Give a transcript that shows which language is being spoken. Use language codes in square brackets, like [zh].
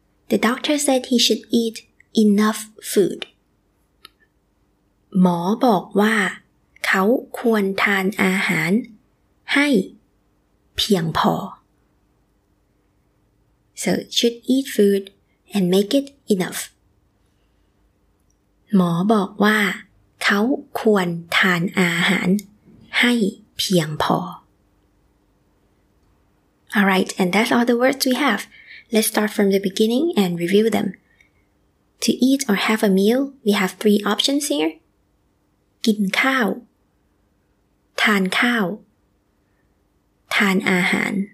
[en] The doctor said he should eat enough food. [th] หมอบอกว่าเขาควรทานอาหารให้เพียงพอ [en] So, should eat food and make it enough. [th] หมอบอกว่าเขาควรทานอาหารให้เพียงพอ [en] Alright, and that's all the words we have. Let's start from the beginning and review them. To eat or have a meal, we have three options here. [th] กินข้าวทานข้าวทานอาหาร